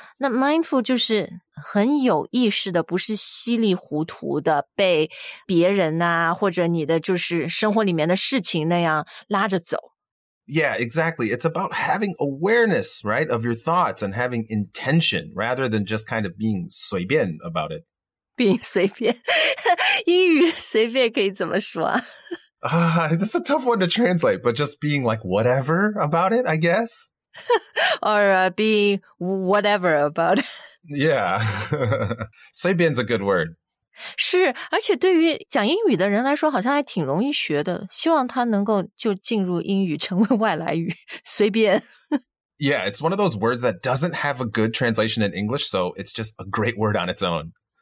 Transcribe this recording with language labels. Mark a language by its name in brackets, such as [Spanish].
[Chinese] 那 mindful 就是很有意识的，不是稀里糊涂的被别人啊或者你的就是生活里面的事情那样拉着走。 [English] Yeah, exactly. It's about having awareness, right, of your thoughts and having intention rather than just kind of being 随便 about it. Being 随便。 [Chinese] 英语随便可以怎么说啊 [English] That's a tough one to translate, but just being like whatever about it, I guess. Or being whatever about it. Yeah. 随便 is a good word. [Chinese] 是，而且对于讲英语的人来说好像还挺容易学的。希望他能够就进入英语成为外来语，随便。 [English] Yeah, it's one of those words that doesn't have a good translation in English, so it's just a great word on its own.